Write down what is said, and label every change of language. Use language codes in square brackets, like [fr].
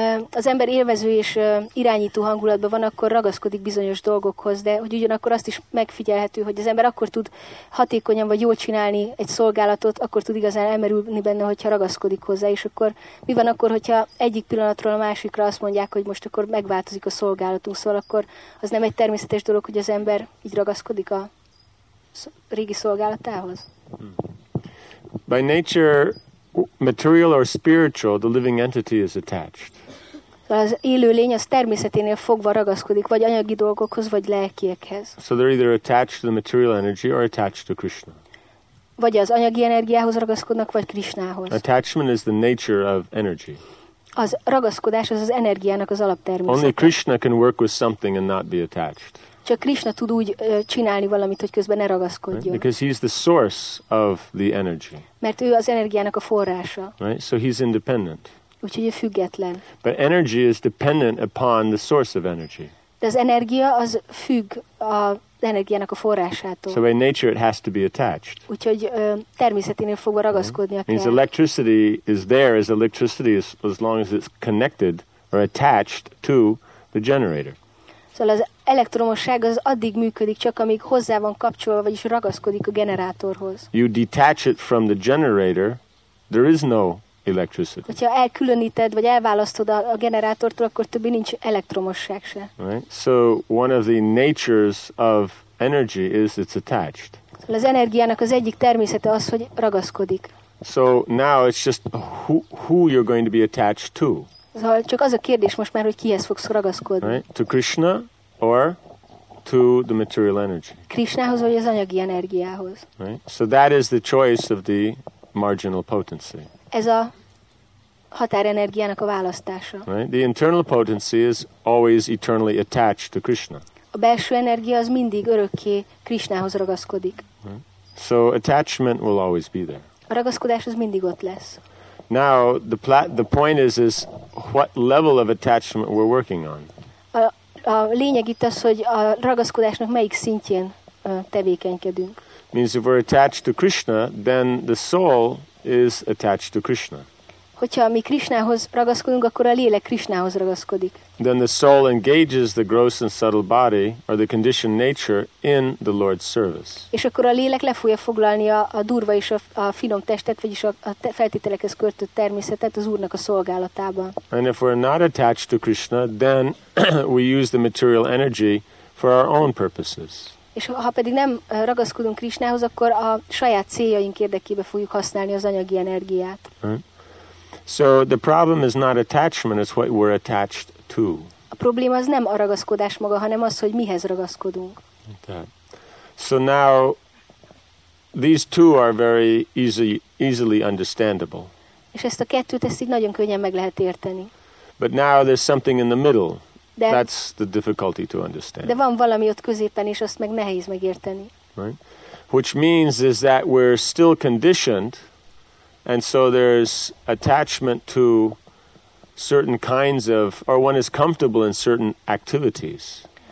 [hu] az ember élvező és irányító hangulatban van, akkor ragaszkodik bizonyos dolgokhoz, de hogy ugyanakkor azt is megfigyelhető, hogy az ember akkor tud hatékonyan vagy jól csinálni egy szolgálatot, akkor tud igazán elmerülni benne, hogyha ragaszkodik hozzá, és akkor mi van akkor, hogyha egyik pillanatról a másikra azt mondják, hogy most akkor megváltozik a szolgálatunk, szóval akkor az nem egy természetes dolog, hogy az ember így ragaszkodik a régi szolgálatához? [en] By nature, material or spiritual, the living entity is attached. [hu] Az élő lény az természeténél fogva ragaszkodik, vagy anyagi dolgokhoz, vagy lelkiekhez. [en] So they're either attached to the material energy or attached to Krishna. [hu] Vagy az anyagi energiához ragaszkodnak, vagy Krishnához. [en] Attachment is the nature of energy. [hu] Az ragaszkodás az energiának az alaptermészete. [en] Only Krishna can work with something and not be attached. [hu] Csak Krishna tud úgy csinálni valamit, hogy közben ne ragaszkodjon. [en] Right? Because he's the source of the energy. [hu] Mert ő az energiának a forrása. [en] Right? So he's independent. [hu] Úgyhogy ő független. [en] But energy is dependent upon the source of energy. [hu] De az energia az függ az energiának a forrásától. [en] So by nature it has to be attached. [hu] Úgyhogy természeténél fogva ragaszkodnia kell. [en] Means electricity is there as electricity is, as long as it's connected or attached to the generator. [hu] Szóval az elektromosság az addig működik, csak amíg hozzá van kapcsolva, vagyis ragaszkodik a generátorhoz. [en] You detach it from the generator, there is no electricity. [hu] Hogyha elkülöníted, vagy elválasztod a generátortól, akkor többé nincs elektromosság se. [en] Right? So one of the natures of energy is it's attached. [hu] Szóval az energiának az egyik természete az, hogy ragaszkodik. [en] So now it's just who you're going to be attached to. [hu] Csak az a kérdés most már, hogy kihez fogsz ragaszkodni. [en] Right? To Krishna or to the material energy. [hu] Krishnához vagy az anyagi energiához. [en] Right? So that is the choice of the marginal potency. [hu] Ez a határenergiának a választása. [en] Right? The internal potency is always eternally attached to Krishna. [hu] A belső energia az mindig örökké Krishnához ragaszkodik. [en] Right? So attachment will always be there. [hu] A ragaszkodás az mindig ott lesz. [en] Now the point is what level of attachment we're working on. [hu] A lényeg itt az, hogy a ragaszkodásnak melyik szintjén tevékenykedünk. [en] Means if we're attached to Krishna, then the soul is attached to Krishna. [hu] Hogyha mi Krishnához ragaszkodunk, akkor a lélek Krishnához ragaszkodik. [en] Then the soul engages the gross and subtle body or the conditioned nature in the Lord's service. [hu] És akkor a lélek le fogja foglalni a durva és a finom testet, vagyis a feltételekhez kötött természetet az Úrnak a szolgálatában. [en] And if we're not attached to Krishna, then we use the material energy for our own purposes. [hu] És ha pedig nem ragaszkodunk Krishnához, akkor a saját céljaink érdekében fogjuk használni az anyagi energiát. [en] Right? So the problem is not attachment, it's what we're attached to. [hu] A probléma az nem a ragaszkodás maga, hanem az, hogy mihez ragaszkodunk. [en] Okay. So now these two are very easily understandable. [hu] És ezt a kettőt ezt így nagyon könnyen meg lehet érteni. [en] But now there's something in the middle. De, that's the difficulty to understand. [hu] De van valami ott középen, és azt meg nehéz megérteni. [en] Right? Which means is that we're still conditioned. And so there's attachment to certain kinds of, or one is comfortable in certain activities.